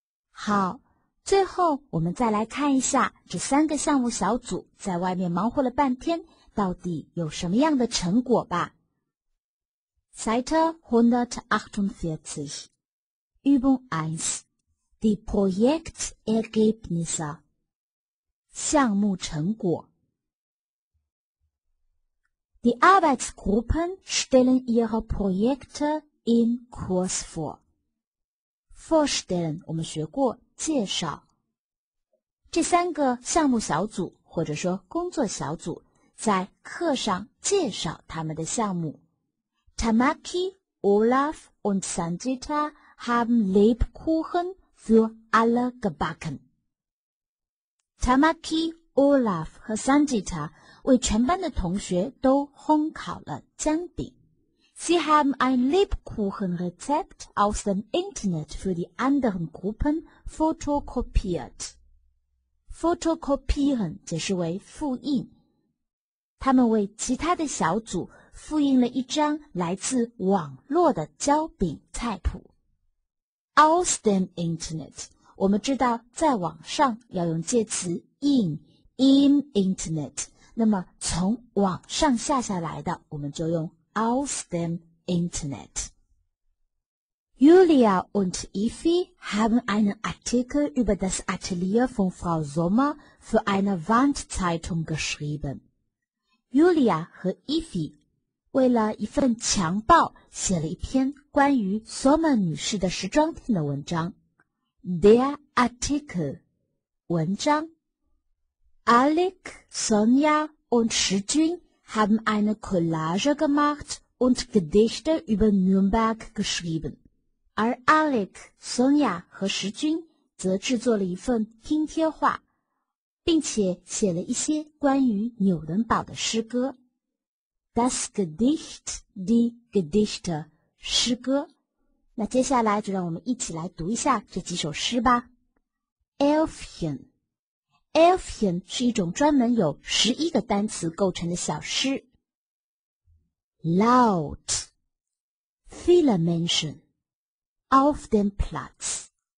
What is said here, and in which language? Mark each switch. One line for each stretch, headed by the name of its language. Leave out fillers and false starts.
Chinese: 好，最后我们再来看一下这三个项目小组在外面忙活了半天到底有什么样的成果吧。
German: Seite 148 Übung 1 Die Projektergebnisse
Chinese: 项目成果。
German: Die Arbeitsgruppen stellen ihre Projekte im Kurs vor.
Chinese: Vorstellen, 我们学过介绍。这三个项目小组或者说工作小组在课上介绍他们的项目。
German: Tamaki, Olaf und Sanjita haben Lebkuchen für alle gebacken.
Chinese: Tamaki, Olaf 和 Sanjita 为全班的同学都烘烤了姜饼。
German: Sie haben ein Lebkuchenrezept aus dem Internet für die anderen Gruppen fotokopiert.
Chinese: Fotokopieren 解释为复印。他们为其他的小组复印了一张来自网络的焦饼菜谱。
German: Aus dem Internet,
Chinese: 我们知道在网上要用介词
German: im Internet,
Chinese: 那么从网上下下来的我们就用
German: aus dem Internet。 Julia und Ifi haben einen Artikel über das Atelier von Frau Sommer für eine Wandzeitung geschrieben.
Chinese: Julia 和 Ifi 为了一份墙报写了一篇关于 Sommer 女士的时装店的文章。
German: Der Artikel
Chinese: 文章。
German: Alec, Sonja und Shijun haben eine Collage gemacht und Gedichte über Nürnberg geschrieben.
Chinese: 而 Alec, Sonja 和 Shijun 则制作了一份拼贴画。并且写了一些关于纽伦堡的诗歌。
German: Das Gedicht, die Gedichte,
Chinese: 诗歌。那接下来就让我们一起来读一下这几首诗吧。
German: Elfchen。
Chinese: Elfchen 是一种专门有11个单词构成的小诗。
German: Laut。 Viele Menschen。Auf dem Platz。